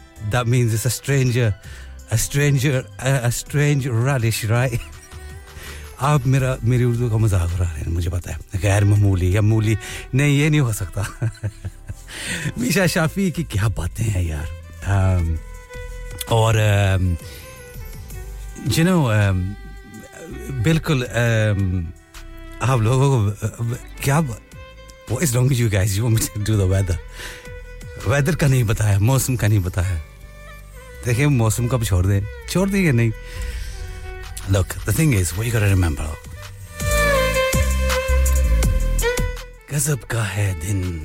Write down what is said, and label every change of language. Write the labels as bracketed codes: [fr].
[en] That means it's a strange radish, right? [hi] आप मेरा मेरी उर्दू का मजाक उड़ा रहे हैं, मुझे पता है. गैर मामूली या मूली, नहीं ये नहीं हो सकता. मीशा शाफी की क्या बातें हैं यार. और [en] you know, [hi] बिल्कुल आप लोगों को क्या, [en] What is wrong with you guys? You want me to do the weather? [hi] Weather का नहीं बताया, मौसम का नहीं बताया. देखिए मौसम कब छोड़ देंगे. नहीं, [en] look, the thing is, what you got to remember, [hi] gazab ka hai din.